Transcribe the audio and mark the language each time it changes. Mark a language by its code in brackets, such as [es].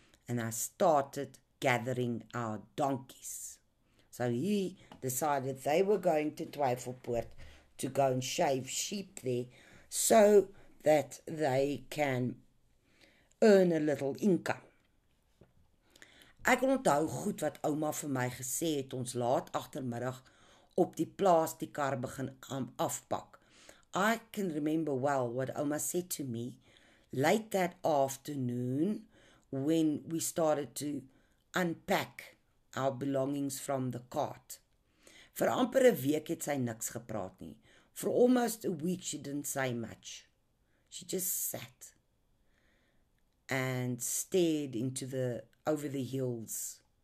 [en] And I started gathering our donkeys. So he decided they were going to Twyfelpoort to go and shave sheep there so that they can earn a little income. [af] Ek onthou goed wat ouma vir my gesê het, ons laat agtermiddag op die plaas die kar begin afpak. [en] I can remember well what ouma said to me late that afternoon when we started to unpack our belongings from the cart. [af] Vir amper 'n week het sy niks gepraat nie. [en] For almost a week she didn't say much. She just sat and stared into the over the hills.